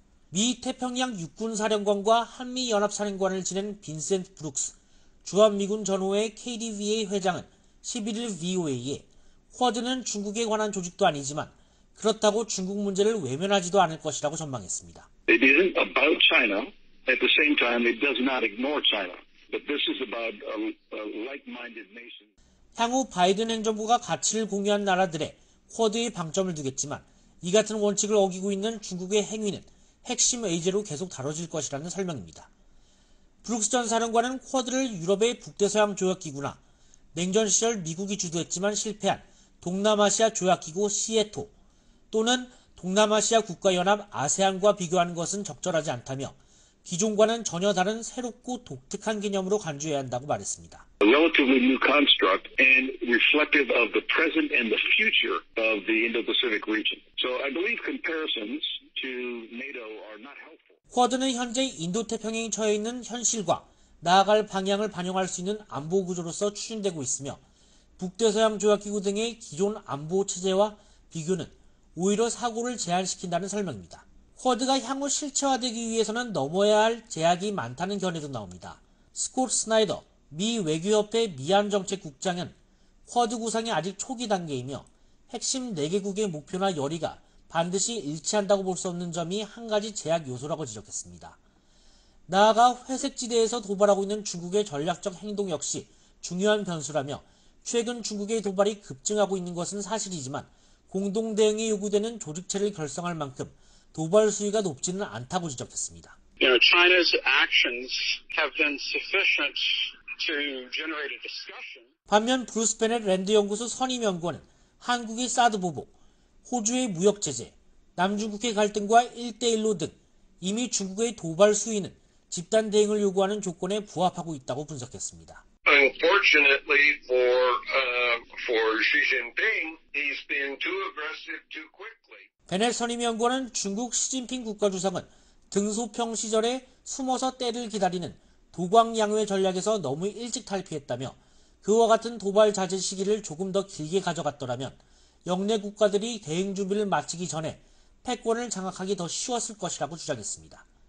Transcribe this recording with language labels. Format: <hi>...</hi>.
<ko>미 태평양 육군사령관과 한미연합사령관을 지낸 빈센트 브룩스, 주한미군 전호회 KDVA 회장은 11일 VOA에 쿼드는 중국에 관한 조직도 아니지만 그렇다고 중국 문제를 외면하지도 않을 것이라고 전망했습니다.</ko> <en>It isn't about China. At the same time, it does not ignore China. But this is about a like-minded nation.</en> <ko>향후 바이든 행정부가 가치를 공유한 나라들의 쿼드의 방점을 두겠지만 이 같은 원칙을 어기고 있는 중국의 행위는 핵심 의제로 계속 다뤄질 것이라는 설명입니다. 브룩스 전 사령관은 쿼드를 유럽의 북대서양 조약기구나 냉전 시절 미국이 주도했지만 실패한 동남아시아 조약기구 시에토 또는 동남아시아 국가연합 아세안과 비교하는 것은 적절하지 않다며 기존과는 전혀 다른 새롭고 독특한 개념으로 간주해야 한다고 말했습니다.</ko> <en>A relatively new construct and reflective of the present and the future of the Indo-Pacific region. So I believe comparisons to NATO are not helpful.</en> <ko>쿼드는 현재 인도태평양이 처해 있는 현실과 나아갈 방향을 반영할 수 있는 안보 구조로서 추진되고 있으며 북대서양 조약기구 등의 기존 안보 체제와 비교는 오히려 사고를 제한시킨다는 설명입니다. 쿼드가 향후 실체화되기 위해서는 넘어야 할 제약이 많다는 견해도 나옵니다. 스콧 스나이더, 미 외교협회 미안정책국장은 쿼드 구상이 아직 초기 단계이며 핵심 4개국의 목표나 열의가 반드시 일치한다고 볼 수 없는 점이 한 가지 제약 요소라고 지적했습니다. 나아가 회색지대에서 도발하고 있는 중국의 전략적 행동 역시 중요한 변수라며 최근 중국의 도발이 급증하고 있는 것은 사실이지만 공동대응이 요구되는 조직체를 결성할 만큼 도발 수위가 높지는 않다고 지적했습니다.</ko> <en>You know, China's actions have been sufficient to generate a discussion.</en> <ko>반면 브루스 베넷 랜드 연구소 선임 연구원은 한국의 사드 보복, 호주의 무역 제재, 남중국해 갈등과 1대1로 등 이미 중국의 도발 수위는 집단 대응을 요구하는 조건에 부합하고 있다고 분석했습니다.</ko> <en>Unfortunately for Xi Jinping, he's been too aggressive too quickly.</en> <ko>베넷 선임연구원은 중국 시진핑 국가주석은 등소평 시절에 숨어서 때를 기다리는 도광양후의 전략에서 너무 일찍 탈피했다며 그와 같은 도발 자제 시기를 조금 더 길게 가져갔더라면 영내 국가들이 대응 준비를 마치기 전에 패권을 장악하기 더 쉬웠을 것이라고 주장했습니다.</ko>